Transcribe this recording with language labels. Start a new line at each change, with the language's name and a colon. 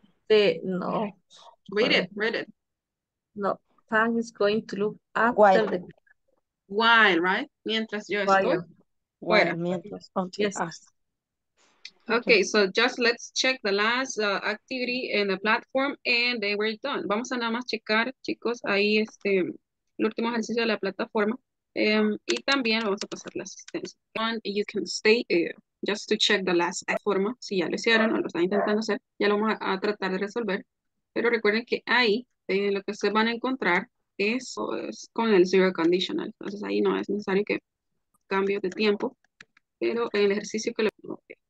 English: Read it. No. Pam is going to look after while. The cat. While, right?
Spanish: Mientras yo estoy.
English: While. Mientras. Until. Yes. Okay, so just let's check the last activity in the platform and they were done.
Spanish: Vamos a nada más checar, chicos, ahí el último ejercicio de la plataforma. Y también vamos a pasar la asistencia.
English: And you can stay just to check the last platform.
Spanish: Si ya lo hicieron o lo están intentando hacer, ya lo vamos a tratar de resolver. Pero recuerden que ahí lo que ustedes van a encontrar es con el zero conditional. Entonces ahí no es necesario que cambie de tiempo. Pero el ejercicio que le pongo.